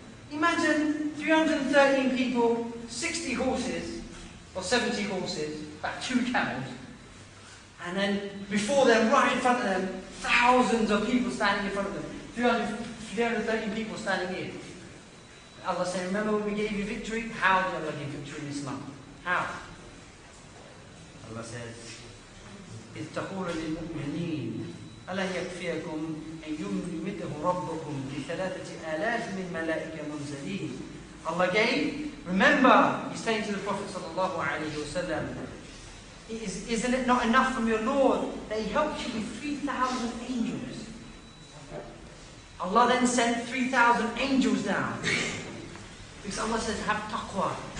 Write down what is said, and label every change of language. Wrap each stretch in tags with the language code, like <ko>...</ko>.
<en>Imagine 313 people, 60 horses, or 70 horses, about 2 camels. And then before them, right in front of them, thousands of people standing in front of them. 313 people standing here. Allah said, remember when we gave you victory? How did Allah give victory in Islam? How? Allah says,</en> <ar>إِذْ تَقُولَ لِلْمُؤْمِنِينَ أَلَنْ يَكْفِيَكُمْ أَنْ يُمْلِمِدْهُ رَبُّكُمْ بِثَلَاثَةِ آلَافٍ مِنْ مَلَائِكَ مُنْزَلِينَ.</ar> <en>Allah gave, remember, he's saying to the Prophet sallallahu alayhi wa sallam, isn't it not enough from your Lord that he helped you with 3,000 angels? Allah then sent 3,000 angels down. Because Allah says, have taqwa.</en>